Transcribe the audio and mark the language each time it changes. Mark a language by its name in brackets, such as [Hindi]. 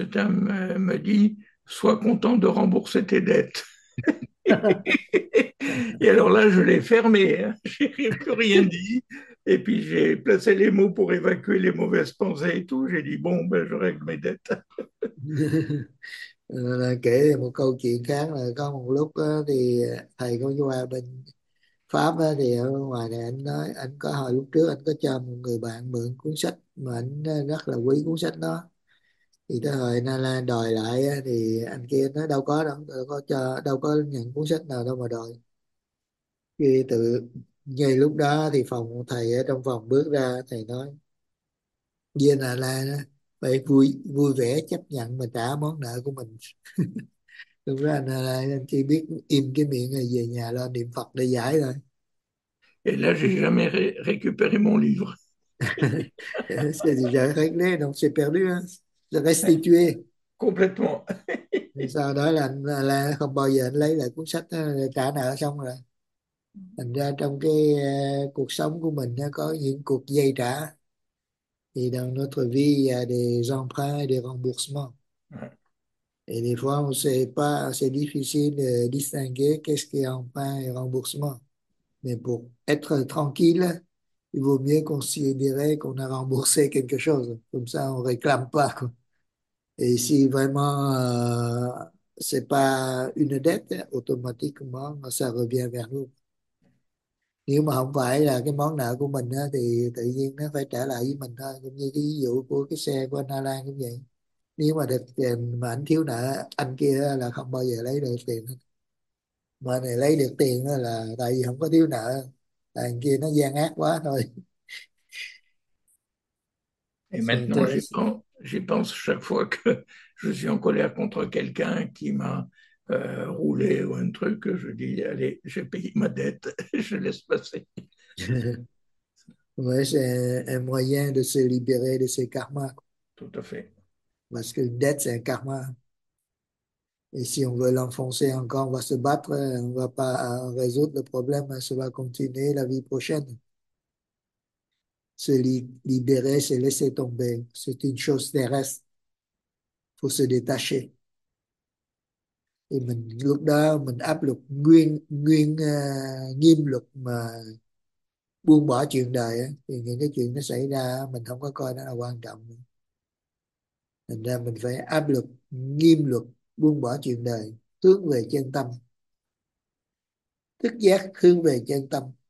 [French] Tam me dit, sois content de rembourser tes dettes. Et alors là, je l'ai fermé. Hein. J'ai plus rien dit. Et puis, j'ai placé les mots pour évacuer les mauvaises pensées et tout. J'ai dit, bon, ben, je règle mes dettes. [Vietnamese] Là, kể một câu chuyện khác là có một lúc đó, thì thầy có qua bên Pháp đó, thì ở ngoài này anh nói anh có hồi lúc trước anh có cho một người bạn mượn cuốn sách mà anh rất là quý cuốn sách đó, thì tới hồi nó lên đòi lại đó, thì anh kia nói đâu có, đâu có cho, đâu có nhận cuốn sách nào đâu mà đòi. Thì từ ngay lúc đó thì phòng thầy ở trong phòng bước ra, thầy nói viên là la đó phải vui vui vẻ chấp nhận mà trả món nợ của mình. Lúc đó anh chỉ biết im cái miệng rồi về nhà lo niệm Phật để giải [French] Et là, j'ai jamais ré récupéré mon livre. [Vietnamese] thôi. [French] C'est déjà réglé, donc c'est perdu hein. C'est restitué. Complètement. Et [Vietnamese] sau đó là anh là không bao giờ anh lấy lại cuốn sách đó, trả nợ xong rồi. Thành ra trong cái cuộc sống của mình nó có những cuộc dây trả. [French] Et dans notre vie, il y a des emprunts et des remboursements. Et des fois, on sait pas, c'est difficile de distinguer qu'est-ce qui est emprunt et remboursement. Mais pour être tranquille, il vaut mieux considérer qu'on a remboursé quelque chose. Comme ça, on réclame pas, quoi. Et si vraiment, c'est pas une dette, automatiquement, ça revient vers nous. [Vietnamese] Nếu mà không phải là cái món nợ của mình á, thì tự nhiên nó phải trả lại với mình thôi, cũng như cái ví dụ của cái xe của anh Hà Lan cũng vậy. Nếu mà được tiền mà anh thiếu nợ anh kia là không bao giờ lấy được tiền, mà này lấy được tiền là tại vì không có thiếu nợ, tại anh kia nó gian ác quá thôi. [French] Et maintenant, j'y pense chaque fois que je suis en colère contre quelqu'un qui m'a roulé ou un truc, je dis, allez, j'ai payé ma dette, je laisse passer. Oui, c'est un moyen de se libérer de ses karmas. Tout à fait. Parce qu'une dette, c'est un karma. Et si on veut l'enfoncer encore, on va se battre, on ne va pas résoudre le problème, ça va continuer la vie prochaine. Se libérer, se laisser tomber, c'est une chose terrestre. Faut se détacher. Et [Vietnamese] mình, lúc đó, mình áp lực nguyên, nghiêm luật mà buông bỏ chuyện đời ấy, thì những cái chuyện nó xảy ra mình không có coi nó là quan trọng nữa. Thành ra mình phải áp lực nghiêm luật buông bỏ chuyện đời, hướng về chân tâm, thức giác hướng về chân tâm.